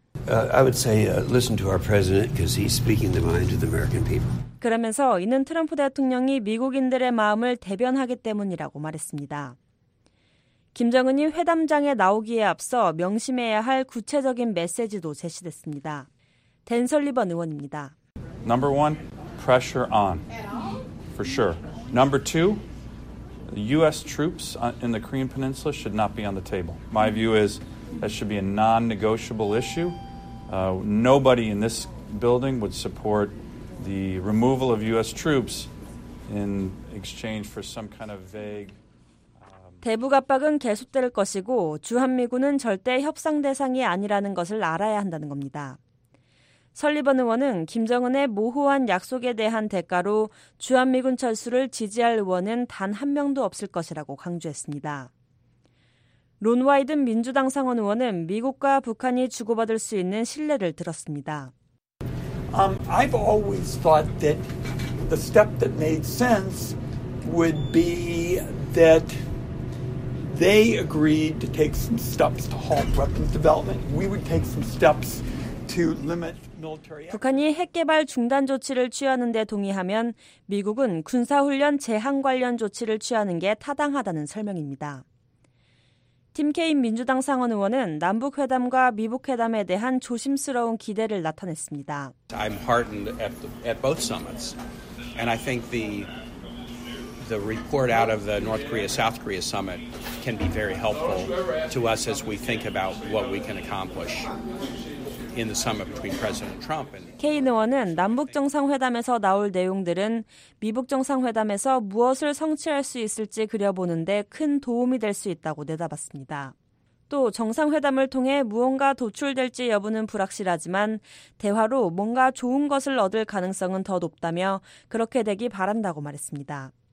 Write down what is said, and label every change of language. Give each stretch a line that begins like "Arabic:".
English: I would say listen to our president because he's speaking the mind of the American people.
Korean: 그러면서 이는 트럼프 대통령이 미국인들의 마음을 대변하기 때문이라고 말했습니다. 김정은이 회담장에 나오기에 앞서 명심해야 할 구체적인 메시지도 제시됐습니다. 댄 설리번 의원입니다.
English: Number one, pressure on. For sure. Number two, U.S. troops in the Korean Peninsula should not be on the table. My view is that should be a non-negotiable issue. Nobody in this building would support the removal of U.S. troops in exchange for some kind of vague...
Korean: 대북 압박은 계속될 것이고 주한미군은 절대 협상 대상이 아니라는 것을 알아야 한다는 겁니다. 설리번 의원은 김정은의 모호한 약속에 대한 대가로 주한미군 철수를 지지할 의원은 단 한 명도 없을 것이라고 강조했습니다. 론 와이든 민주당 상원 의원은 미국과 북한이 주고받을 수 있는 신뢰를 들었습니다.
English: I've always thought that the step that made sense would be that they agreed to take some steps to halt weapons development. We would take some steps to limit
Korean: 북한이 핵 개발 중단 조치를 취하는 데 동의하면 미국은 군사훈련 제한 관련 조치를 취하는 게 타당하다는 설명입니다. 팀 케인 민주당 상원 의원은 남북회담과 미북회담에 대한 조심스러운 기대를 나타냈습니다.
English: I'm heartened at both summits. And I think the report out of the North Korea-South Korea summit can be very helpful to us as we think about what we can accomplish. In the summit between President Trump and
Korean: 케인 의원은 남북 정상회담에서 나올 내용들은 미북 정상회담에서 무엇을 성취할 수 있을지 그려보는데 큰 도움이 될 수 있다고 내다봤습니다. 또 정상회담을 통해 무언가 도출될지 여부는 불확실하지만 대화로 뭔가 좋은 것을 얻을 가능성은 더 높다며 그렇게 되기 바란다고 말했습니다.